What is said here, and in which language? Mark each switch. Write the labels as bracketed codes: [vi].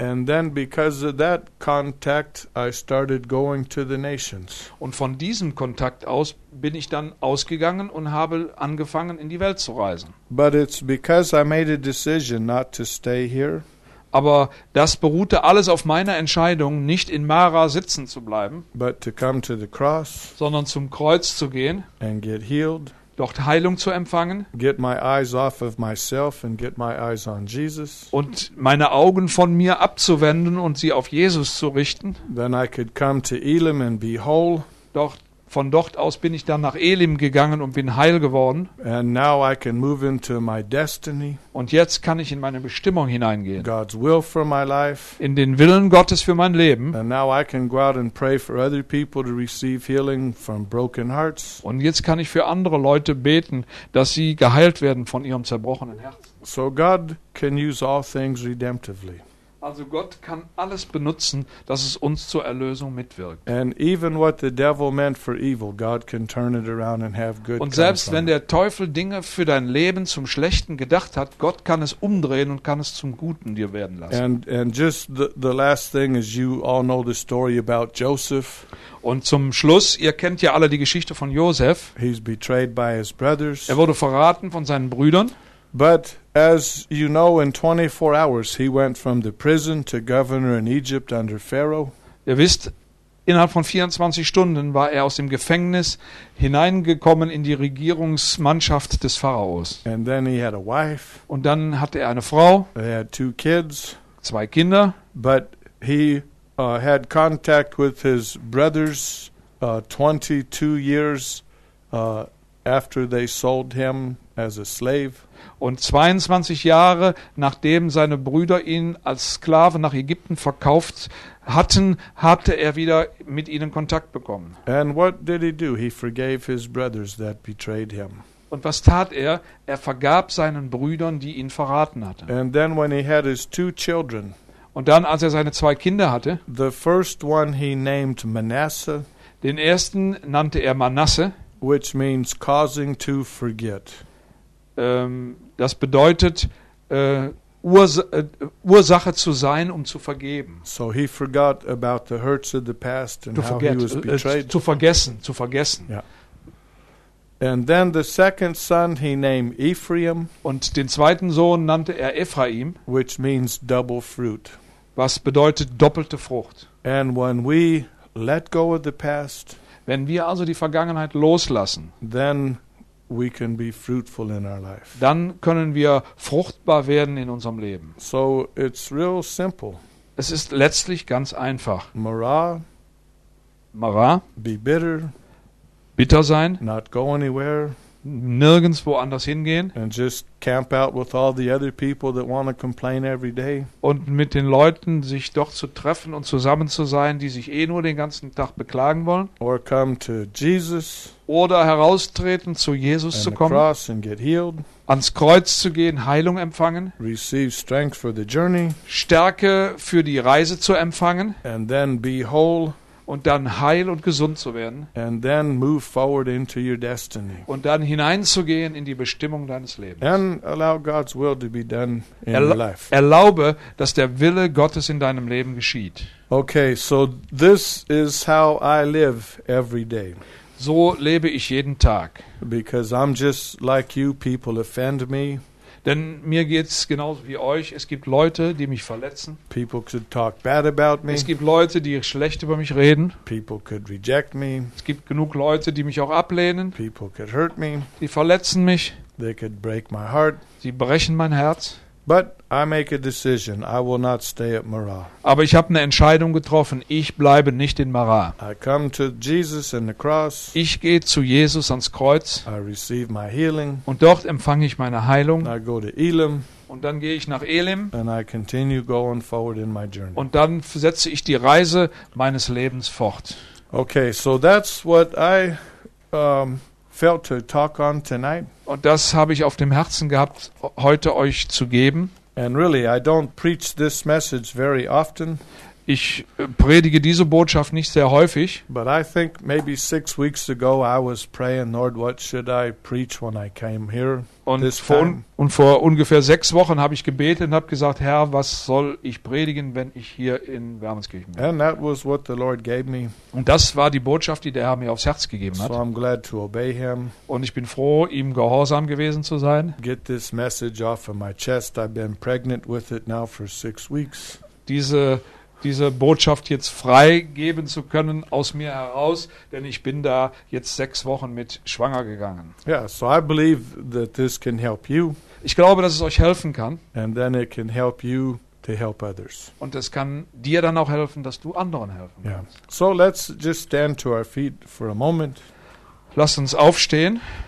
[en] And then because of that contact, I started going to the nations. [de] Und von diesem Kontakt aus bin ich dann ausgegangen und habe angefangen, in die Welt zu reisen. [en] But it's because I made a decision not to stay here. [de] Aber das beruhte alles auf meiner Entscheidung, nicht in Mara sitzen zu bleiben, [en] but to come to the cross, [de] sondern zum Kreuz zu gehen, [en] and get healed, [de] dort Heilung zu empfangen, [en] get my eyes off of myself and get my eyes on Jesus, [de] und meine Augen von mir abzuwenden und sie auf Jesus zu richten. [en] Then I could come to Elim and be whole. [de] Von dort aus bin ich dann nach Elim gegangen und bin heil geworden. [en] And now I can move into my destiny. [de] Und jetzt kann ich in meine Bestimmung hineingehen. [en] God's will for my life. [de] In den Willen Gottes für mein Leben. [en] And now I can go out and pray for other people to receive healing from broken hearts. [de] Und jetzt kann ich für andere Leute beten, dass sie geheilt werden von ihrem zerbrochenen Herzen. [en] So God can use all things redemptively. [de] Also Gott kann alles benutzen, dass es uns zur Erlösung mitwirkt. [en] And even what the devil meant for evil, God can turn it around and have good. [de] Und selbst wenn der Teufel Dinge für dein Leben zum Schlechten gedacht hat, Gott kann es umdrehen und kann es zum Guten dir werden lassen. [en] And just the last thing is, you all know the story about Joseph. [de] Und zum Schluss, ihr kennt ja alle die Geschichte von Josef. [en] He's betrayed by his brothers. [de] Er wurde verraten von seinen Brüdern. [en] But as you know, in 24 hours he went from the prison to governor in Egypt under Pharaoh. [de] Ihr wisst, innerhalb von 24 Stunden war er aus dem Gefängnis hineingekommen in die Regierungsmannschaft des Pharaos. [en] And then he had a wife. [de] Und dann hatte er eine Frau. [en] He had two kids. [de] Zwei Kinder. [en] But he had contact with his brothers 22 years after they sold him as a slave. [de] Und 22 Jahre, nachdem seine Brüder ihn als Sklave nach Ägypten verkauft hatten, hatte er wieder mit ihnen Kontakt bekommen. [en] And what did he do? He forgave his brothers that betrayed him. [de] Und was tat er? Er vergab seinen Brüdern, die ihn verraten hatten. [en] And then when he had his two children, [de] und dann, als er seine zwei Kinder hatte, [en] the first one he named Manasseh, [de] den ersten nannte er Manasse, [en] which means causing to forget. [de] Das bedeutet, Ursache zu sein, um zu vergeben. [en] So he forgot about the hurts of the past and how he was betrayed. [de] Zu vergessen. [en] Yeah. And then the second son he named Ephraim. [de] Und den zweiten Sohn nannte er Ephraim. [en] Which means double fruit. [de] Was bedeutet doppelte Frucht. [en] And when we let go of the past, [de] wenn wir also die Vergangenheit loslassen, [en] then we can be fruitful in our life. [de] Dann können wir fruchtbar werden in unserem Leben. [en] So it's real simple. [de] Es ist letztlich ganz einfach. [en] Mara. Be bitter. [de] Bitter sein. [en] Not go anywhere. [de] Nirgends woanders hingehen. [en] And just camp out with all the other people that want to complain every day. [de] Und mit den Leuten sich doch zu treffen und zusammen zu sein, die sich eh nur den ganzen Tag beklagen wollen. [en] Or come to Jesus. [de] Oder heraustreten, zu Jesus zu kommen. [en] And the cross and get healed. [de] Ans Kreuz zu gehen, Heilung empfangen. [en] Receive strength for the journey. [de] Stärke für die Reise zu empfangen. [en] And then be whole. [de] Und dann heil und gesund zu werden. [en] And then move forward into your destiny. [de] Und dann hineinzugehen in die Bestimmung deines Lebens. [en] And allow God's will to be done in your life. [de] Erlaube, dass der Wille Gottes in deinem Leben geschieht. [en] Okay, so this is how I live every day. [de] So lebe ich jeden Tag. [en] Because I'm just like you, people offend me. [de] Denn mir geht's genauso wie euch. Es gibt Leute, die mich verletzen. [en] People could talk bad about me. [de] Es gibt Leute, die schlecht über mich reden. [en] People could reject me. [de] Es gibt genug Leute, die mich auch ablehnen. [en] People could hurt me. [de] Die verletzen mich. [en] They could break my heart. [de] Sie brechen mein Herz. [en] But I make a decision. I will not stay at Marah. [de] Aber ich habe eine Entscheidung getroffen. Ich bleibe nicht in Marah. [en] I come to Jesus and the cross. [de] Ich gehe zu Jesus ans Kreuz. [en] I receive my healing. [de] Und dort empfange ich meine Heilung. [en] I go to Elim. [de] Und dann gehe ich nach Elim. [en] And I continue going forward in my journey. [de] Und dann setze ich die Reise meines Lebens fort. [en] Okay, so that's what I felt to talk on tonight. [de] Und das habe ich auf dem Herzen gehabt, heute euch zu geben. [en] And really, I don't preach this message very often. [de] Ich predige diese Botschaft nicht sehr häufig. [en] But I think maybe 6 weeks ago I was praying, Lord, what should I preach when I came here? [de] Und vor ungefähr 6 Wochen habe ich gebetet und habe gesagt, Herr, was soll ich predigen, wenn ich hier in Wermelskirchen bin? [en] And that was what the Lord gave me. [de] Und das war die Botschaft, die der Herr mir aufs Herz gegeben hat. [en] So I'm glad to obey him. [de] Und ich bin froh, ihm gehorsam gewesen zu sein. [en] Get this message off of my chest. I've been pregnant with it now for 6 weeks. [de] Diese Botschaft jetzt freigeben zu können aus mir heraus, denn ich bin da jetzt 6 Wochen mit schwanger gegangen. [en] Yeah, so I believe that this can help you. [de] Ich glaube, dass es euch helfen kann. [en] And then it can help you to help others. [de] Und es kann dir dann auch helfen, dass du anderen helfen kannst. [en] Yeah. So let's just stand to our feet for a moment. [de] Lasst uns aufstehen.